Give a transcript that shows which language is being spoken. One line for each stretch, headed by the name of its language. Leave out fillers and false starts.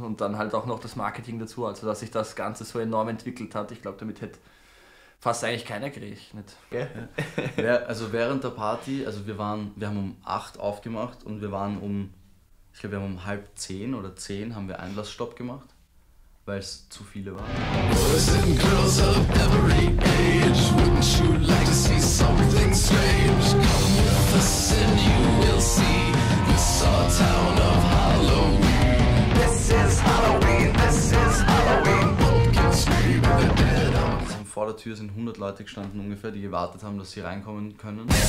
German: Und dann halt auch noch das Marketing dazu. Also, dass sich das Ganze so enorm entwickelt hat. Ich glaube, damit hätte fast eigentlich keiner gerechnet. Ja. Also während der Party, also wir haben um 8 aufgemacht und wir waren um 9:30 oder 10 haben wir Einlassstopp gemacht, weil es zu viele waren.
English: Boys and girls of every age, wouldn't you like to see something strange? Come with us and you will see this our town of Halloween. This is Halloween, this is Halloween. Pumpkins scream in the dead.
German: Vor der Tür sind 100 Leute gestanden ungefähr, die gewartet haben, dass sie reinkommen können.